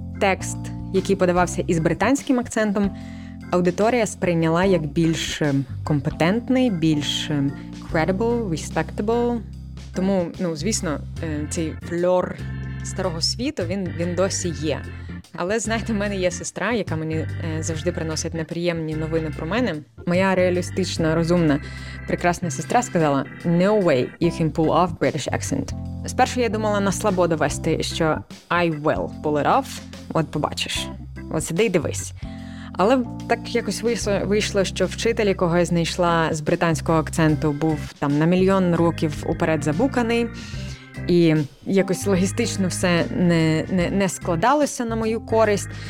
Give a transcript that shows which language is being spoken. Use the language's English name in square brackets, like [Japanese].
[Ukrainian] Текст, який подавався із британським акцентом, аудиторія сприйняла як більш компетентний, більш [English] credible, respectable. [Ukrainian] Тому, ну, звісно, цей флор старого світу, він досі є. Але, знаєте, в мене є сестра, яка мені завжди приносить неприємні новини про мене. Моя реалістична, розумна, прекрасна сестра сказала [English] «No way you can pull off British accent». [Ukrainian] Спершу я думала на слабо довести, що [English] «I will pull it off». [Ukrainian] От побачиш. От сиди й дивись. Але так якось вийшло, що вчитель, якого я знайшла з британського акценту, був там на мільйон років уперед забуканий. І якось логістично все не складалося на мою користь.